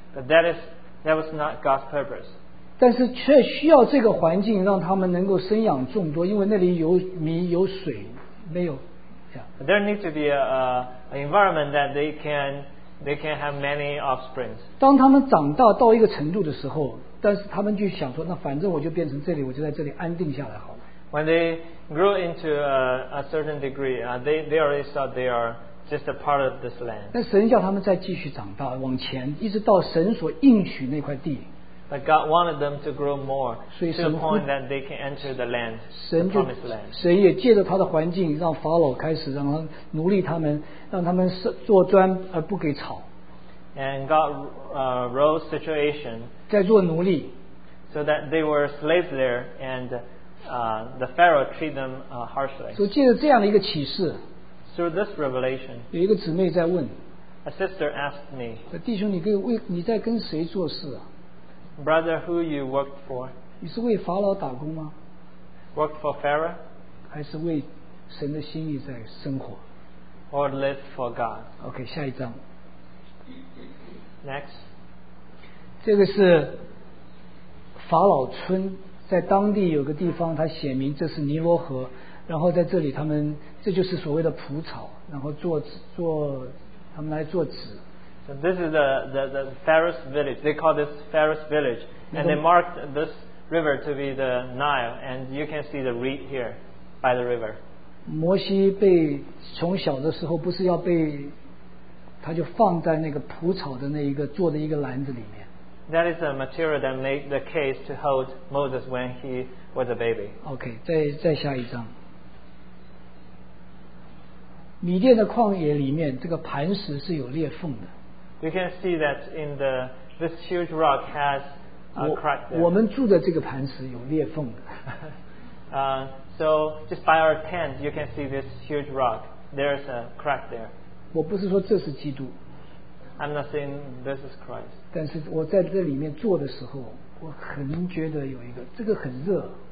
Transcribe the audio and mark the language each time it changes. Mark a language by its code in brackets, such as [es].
[en] But that was not God's purpose. [zh] 但是却需要这个环境让他们能够生养众多，因为那里有米有水，没有。 [en] Yeah. There needs to be an environment that they can have many offsprings. [zh] 当他们长大到一个程度的时候，但是他们就想说，那反正我就变成这里，我就在这里安定下来好了。 [en] When they grew into a certain degree, they already thought they are just a part of this land. [zh] 但神叫他们再继续长大，往前，一直到神所应许那块地。 [en] But God wanted them to grow more to the point that they can enter the land, the promised land. [zh] 神也借着他的环境，让法老开始让他奴隶他们，让他们做砖而不给草。 [en] And God rose situation [zh] 在做奴隶 [en] so that they were slaves there and the Pharaoh treat them harshly. [zh] 所以借着这样的一个启示 [en] through this revelation, [zh] 有一个姊妹在问 [en] a sister asked me, [zh] 弟兄你在跟谁做事啊？ [en] Brother, who you worked for? [zh] 你是为法老打工吗？ [en] Worked for Pharaoh? [zh] 还是为神的心意在生活？ [en] Or lived for God? [zh] OK, 下一章。 [en] Next. [zh] 这个是法老村，在当地有个地方，它写明这是尼罗河，然后在这里他们，这就是所谓的蒲草，然后做他们来做纸。 [en] So this is the Pharaoh's village. They call this Pharaoh's village. And they marked this river to be the Nile. And you can see the reed here by the river. [zh] 摩西被从小的时候不是要被他就放在那个蒲草的那一个做的一个篮子里面。 [en] That is the material that made the case to hold Moses when he was a baby. [zh] OK, 再下一张。米甸的旷野里面这个磐石是有裂缝的。 [en] You can see that in this huge rock has a crack there. [zh] 我们住的这个磐石有裂缝的。 [en] So just by our tent, you can see this huge rock. There's a crack there. [zh] 我不是说这是基督。 [en] I'm not saying this is Christ. [zh] 但是我在这里面坐的时候，我很觉得有一个这个很热。